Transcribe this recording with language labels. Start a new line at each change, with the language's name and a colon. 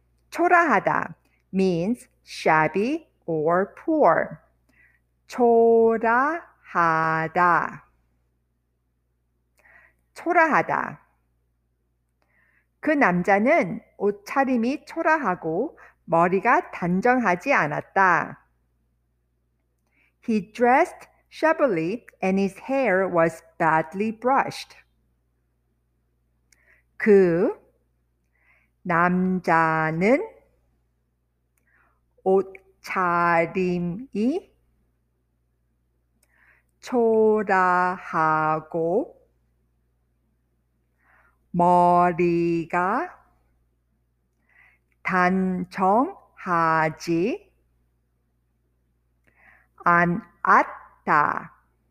English: 초라하다 means shabby or poor.
Korean: 초라하다. 초라하다. 그 남자는 옷차림이 초라하고 머리가 단정하지 않았다.
English: He dressed shabbily and his hair was badly brushed.
Korean: 그 남자는 옷차림이 초라하고 머리가 단정하지 않았다.